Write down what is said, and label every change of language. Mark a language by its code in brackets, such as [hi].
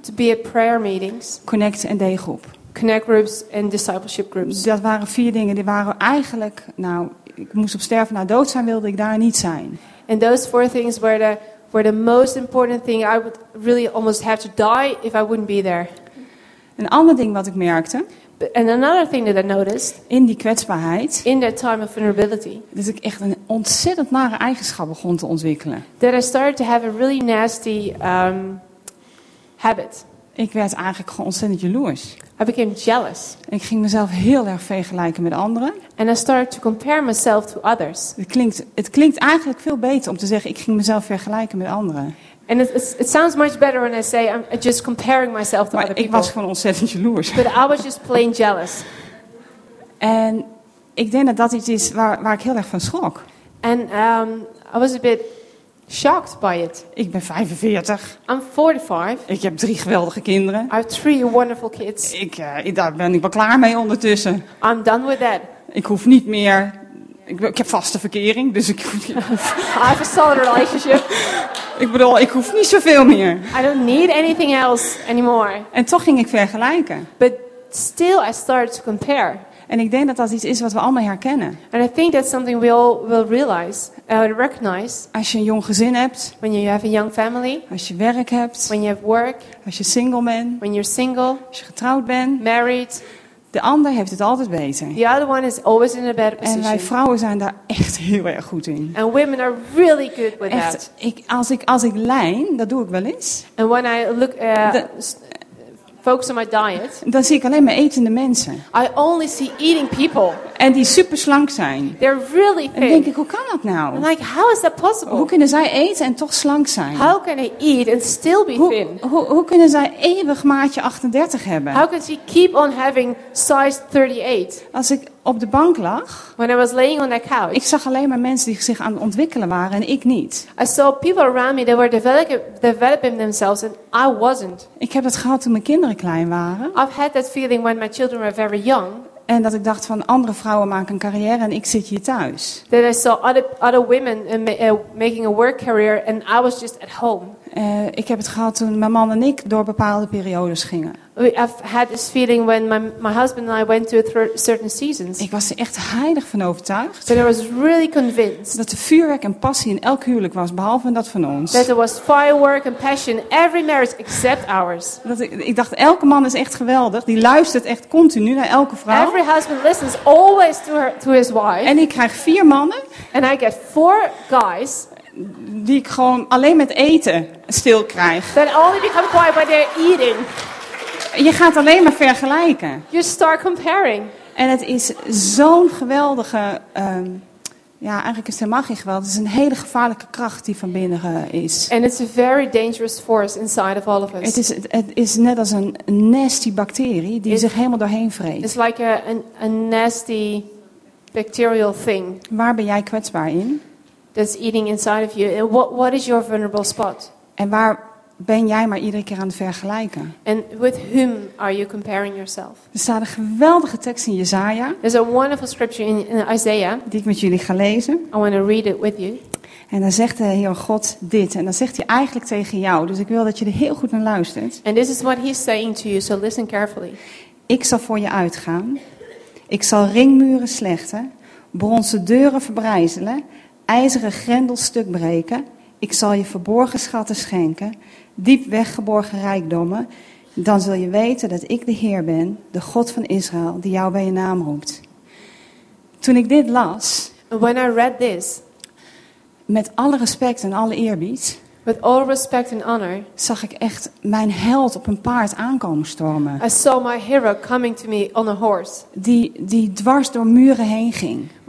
[en] To be at prayer meetings. [nl] Connect en D-groep. [en] Connect groups and discipleship groups. [nl] Dat waren 4 dingen. Die waren eigenlijk, nou, ik moest op sterven na dood zijn, wilde ik daar niet zijn. [en] And those 4 things were the most important thing. I would really almost have to die if I wouldn't be there. [nl] Een ander ding wat ik merkte. [en] And another thing that I noticed. [nl] In die kwetsbaarheid. [en] In that time of vulnerability. [nl] Dat ik echt een ontzettend nare eigenschap begon te ontwikkelen. [en] That I started to have a really nasty habit. [nl] Ik werd eigenlijk gewoon ontzettend jaloers. [en] I became jealous. [nl] Ik ging mezelf heel erg vergelijken met anderen. [en] And I started to compare myself to others. [nl] Het klinkt eigenlijk veel beter om te zeggen ik ging mezelf vergelijken met anderen. [en] And it sounds much better when I say I'm just comparing myself to [nl] maar [en] other people. [nl] Maar ik was gewoon ontzettend jaloers. [en] But I was just plain jealous. [nl] En ik denk dat dat iets is waar ik heel erg van schrok. [en] And I was a bit shocked by it. [nl] Ik ben 45. [en] I'm 45. [nl] Ik heb 3 geweldige kinderen. [en] I have 3 wonderful kids. [nl] Daar ben ik wel klaar mee ondertussen. [en] I'm done with that. [nl] Ik hoef niet meer. Ik heb vaste verkering, dus ik hoef niet. [en] I have a solid relationship. [nl] Ik bedoel, ik hoef niet zoveel meer. [en] I don't need anything else anymore. [nl] En toch ging ik vergelijken. [en] But still I started to compare. [nl] En ik denk dat dat iets is wat we allemaal herkennen. [en] And I think that's something we all will realize and recognize. [nl] Als je een jong gezin hebt. [en] When you have a young family. [nl] Als je werk hebt. [en] When you have work. [nl] Als je single bent. [en] When you're single. [nl] Als je getrouwd bent. [en] Married. [nl] De ander heeft het altijd beter. [en] The other one is always in a better position. [nl] En wij vrouwen zijn daar echt heel erg goed in. [en] And women are really good with [nl] echt, [en] that. [nl] Als ik lijn, dat doe ik wel eens. [en] And when I look focus on my diet. [nl] Dan zie ik alleen maar etende mensen. [en] I only see eating people. [nl] En die super slank zijn. [en] They're really thin. [nl] En denk ik, hoe kan dat nou? [en] I'm like, how is that possible? [nl] Hoe kunnen zij eten en toch slank zijn? [en] How can they eat and still be thin? [nl] Hoe kunnen zij eeuwig maatje 38 hebben? [en] How can she keep on having size 38? [nl] Als ik op de bank lag. [en] When I was laying on that couch. [nl] Ik zag alleen maar mensen die zich aan het ontwikkelen waren en ik niet. [en] I saw people around me that were developing themselves and I wasn't. [nl] Ik heb dat gehad toen mijn kinderen klein waren. [en] I've had that feeling when my children were very young. [nl] En dat ik dacht van andere vrouwen maken een carrière en ik zit hier thuis. [en] That I saw other women making a work career and I was just at home. [nl] Ik heb het gehad toen mijn man en ik door bepaalde periodes gingen. [en] I've had this feeling when my husband and I went through certain seasons. [nl] Ik was er echt heilig van overtuigd. [en] That I was really convinced. [nl] Dat er vuurwerk en passie in elk huwelijk was, behalve dat van ons. [en] That there was firework and passion every marriage except ours. [nl] Dat ik dacht, elke man is echt geweldig. Die luistert echt continu naar elke vrouw. [en] Every husband listens always to his wife. [nl] En ik krijg 4 mannen. [en] And I get 4 guys. [nl] Die ik gewoon alleen met eten stil krijg. [en] That only become quiet by their eating. [nl] Je gaat alleen maar vergelijken. [en] You start comparing. [nl] En het is zo'n geweldige, eigenlijk is het helemaal geen geweld. Het is een hele gevaarlijke kracht die van binnen is. [en] And it's a very dangerous force inside of all of us. [nl] Het is net als een nasty bacterie die zich helemaal doorheen vreet. [en] It's like a nasty bacterial thing. [nl] Waar ben jij kwetsbaar in? [en] That's eating inside of you. What is your vulnerable spot? [nl] En waar ben jij maar iedere keer aan het vergelijken? [en] And with whom are you comparing yourself? [nl] Er staat een geweldige tekst in Jesaja. [en] There's a wonderful scripture in Isaiah. [nl] Die ik met jullie ga lezen. [en] I want to read it with you. [nl] En dan zegt de Heer God dit. En dan zegt hij eigenlijk tegen jou. Dus ik wil dat je er heel goed naar luistert. [en] And this is what he's saying to you. So listen carefully. [nl] Ik zal voor je uitgaan. Ik zal ringmuren slechten, bronzen deuren verbrijzelen, ijzeren grendels stuk breken. Ik zal je verborgen schatten schenken, diep weggeborgen rijkdommen. Dan zul je weten dat ik de Heer ben, de God van Israël, die jou bij je naam roept. Toen ik dit las, [en] when I read this, [nl] met alle respect en alle eerbied, [en] with all respect and honor, [nl] zag ik echt mijn held op een paard aankomen stormen. [en] I saw my hero coming to me on a horse. [nl] Die dwars door muren heen ging.